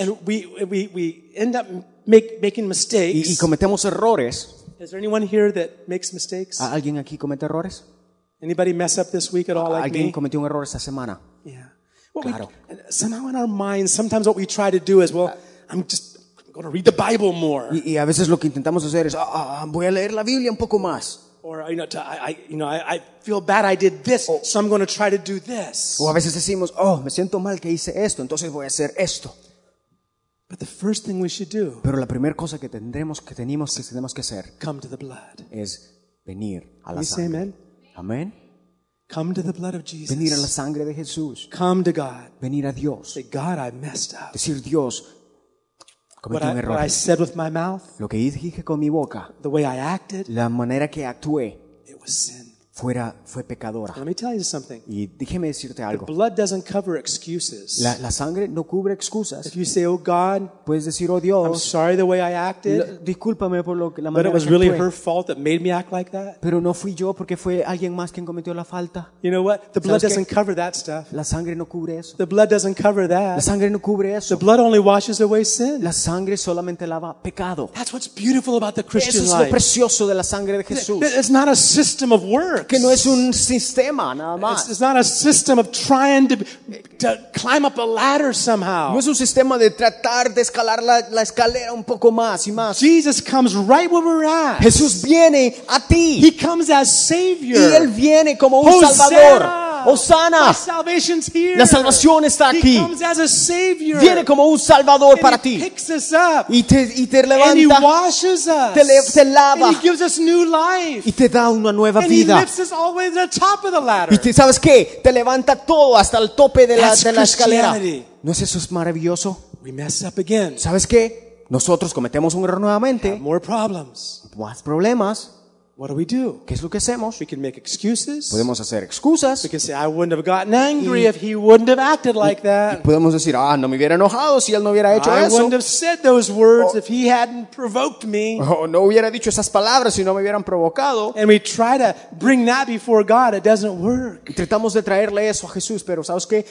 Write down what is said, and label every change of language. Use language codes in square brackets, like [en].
[en] And we end up making mistakes. [es] Y cometemos errores. [en] Is there anyone here that makes mistakes? [es] ¿Alguien aquí comete errores? [en] Anybody mess up this week at all like me? [es] ¿Alguien cometió un error esta semana? [en] Yeah. [es] Claro. [en] Somehow in our minds, sometimes what we try to do is, well, I'm going to read the Bible more. [es] Y a veces lo que intentamos hacer es, voy a leer la Biblia un poco más. [en] Or you know, I feel bad I did this, so I'm going to try to do this. [es] O a veces decimos, me siento mal que hice esto, entonces voy a hacer esto. [en] But the first thing we should do. [es] Pero la primera cosa que tenemos que hacer. [en] Come to the blood. [es] Es venir a la sangre. [en] Say amen. [es] Amen. [en] Come to the blood of Jesus. [es] Venir a la sangre de Jesús. [en] Come to God. [es] Venir a Dios. [en] Say, God, I messed up. [es] Decir Dios. [en] What I said with my mouth, [es] lo que dije con mi boca, [en] the way I acted, [es] la manera que actué, [en] it was sin. [es] Fue pecadora. [en] Let me tell you something. [es] Y déjeme decirte algo. [en] The blood doesn't cover excuses. [es] La sangre no cubre excusas. [en] If you say, oh God, [es] puedes decir, oh Dios, [en] I'm sorry the way I acted, [es] discúlpame por lo que la manera [en] but it was really her fault that made me act like that. [es] Pero no fui yo porque fue alguien más quien cometió la falta. [en] You know what? The blood doesn't cover that stuff. [es] La sangre no cubre eso. [en] The blood doesn't cover that. [es] La sangre no cubre eso. [en] The blood only washes away sin. [es] La sangre solamente lava pecado. [en] That's what's beautiful about the Christian life. [es] Eso es lo precioso de la sangre de Jesús. [en] It's not a system of works. [es] Que no es un sistema, nada más. [en] It's not a system of trying to climb up a ladder somehow. [es] No es un sistema de tratar de escalar la escalera un poco más y más. [en] Jesus comes right where we're at. [es] Jesús viene a ti. [en] He comes as Savior. [es] Y Él viene como un Hosanna. Salvador. [en] Hosanna. My salvation's here. [es] La salvación está aquí. [en] He comes as a Savior. [es] Viene como un Salvador [en] and [es] para [en] he [es] ti. [en] Picks us up. [es] Y te levanta. [en] And he washes us. [es] Te lava. [en] And he gives us new life. [es] Y te da una nueva vida. [en] And he lifts us all the way to the top of the ladder. [es] Y te, ¿sabes qué? Te levanta todo hasta el tope de la escalera. ¿No es eso maravilloso? [en] We mess up again. [es] ¿Sabes qué? Nosotros cometemos un error nuevamente. [en] Have more problems. [es] Más problemas. [en] What do we do? [es] ¿Qué es lo que hacemos? [en] We can make excuses. [es] Podemos hacer excusas. [en] We can say, I wouldn't have gotten angry if he wouldn't have acted like that. [es] Y podemos decir, no me hubiera enojado si él no hubiera hecho [en] I [es] eso. [en] I wouldn't have said those words if he hadn't provoked me. [es] No hubiera dicho esas palabras si no me hubieran provocado. [en] And we try to bring that before God, it doesn't work. [es] Y tratamos de traerle eso a Jesús, pero ¿sabes qué?